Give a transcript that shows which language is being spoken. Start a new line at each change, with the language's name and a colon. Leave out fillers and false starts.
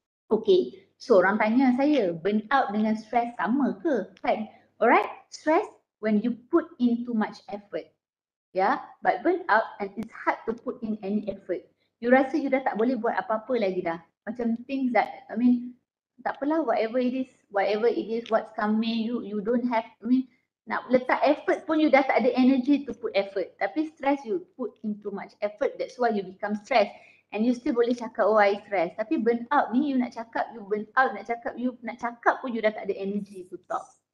Malay: Okay, so orang tanya saya, burn out dengan stress sama ke? Kan?
English: Alright, stress when you put in too much effort. Yeah, but burn out and it's hard to put in any effort.
Malay: You rasa you dah tak boleh buat apa-apa lagi dah.
English: Macam things that,
Malay: tak apalah,
English: whatever it is, what's coming, you don't have,
Malay: nak letak effort pun you dah tak ada
English: energy to put effort. Tapi stress you put in too much effort, that's why you become stressed. And you still
Malay: boleh cakap,
English: oh, I stress.
Malay: Tapi burn out ni, you nak cakap pun you dah tak ada
English: energy to talk.